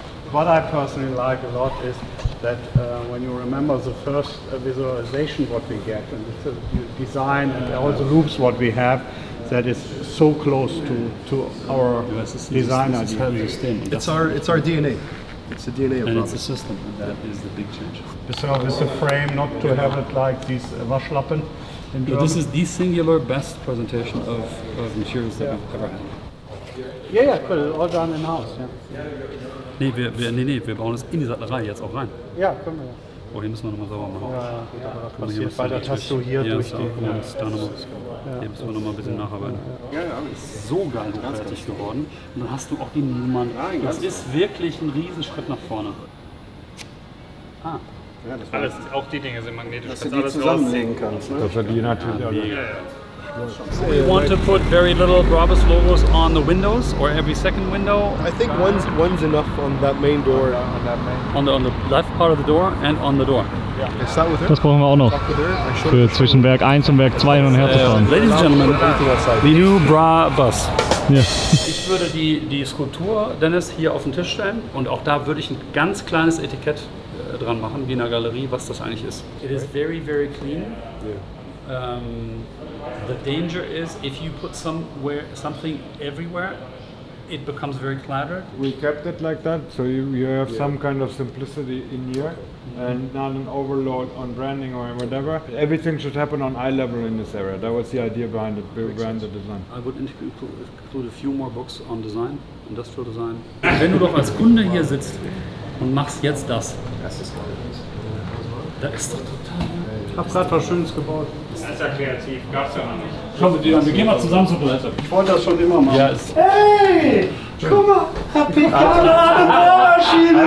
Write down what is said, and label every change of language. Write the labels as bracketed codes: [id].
[en] What I personally like a lot is that when you remember the first visualization what we get and the design and all the loops what we have, that is so close to our design and system. It's our DNA. It's the DNA of and it's the system. And that is the big change. So with the frame, not to have it like these Waschlappen. So this is the singular best presentation of materials that we've ever had. Yeah, yeah, cool. All done in-house, yeah. [de] Nee, wir bauen es in die Sattlerei jetzt auch rein. Ja, können wir. Oh, hier müssen wir nochmal sauber machen. Ja, ja. Passiert bei der Tasche hier durch die... Ja, da nochmal. Hier müssen wir nochmal ein bisschen nacharbeiten. Ja, ja. Ist so geil fertig geworden. Und dann hast du auch die Nummern. Das ist wirklich ein Riesenschritt nach vorne. Ah. Ja, alles, auch die Dinge sind magnetisch, dass du die zusammenlegen kannst. Das ist die natürlich. Ja, ja. [en] We want to put very little Bravos logos on the windows or every second window. I think one's enough on that main door. On the left part of the door and on the door. Yeah. Start with [de] das brauchen wir auch noch. Für zwischen Werk 1 und Werk 2 hin und her zu fahren. [en] Ladies and gentlemen, the new Bravos. Yeah. [de] Ich würde die Skulptur, Dennis, hier auf den Tisch stellen und auch da würde ich ein ganz kleines Etikett dran machen, wie in der Galerie, was das eigentlich ist. [en] It is very, very clean. Yeah. The danger is, if you put something everywhere, it becomes very cluttered. We kept it like that, so you have some kind of simplicity in here, and not an overload on branding or whatever. Everything should happen on eye level in this area. That was the idea behind it, behind the design. I would include a few more books on design, industrial design. [de] Wenn du doch als Kunde hier sitzt und machst jetzt das. Das ist doch total. Ich hab grad was Schönes gebaut. Das ist ja kreativ, gab's ja noch nicht. Komm, wir gehen mal zusammen zur Toilette. Ich wollte das schon immer machen. [en] Yes. [de] Hey! Guck mal, Herr Picard, eine Bohrmaschine!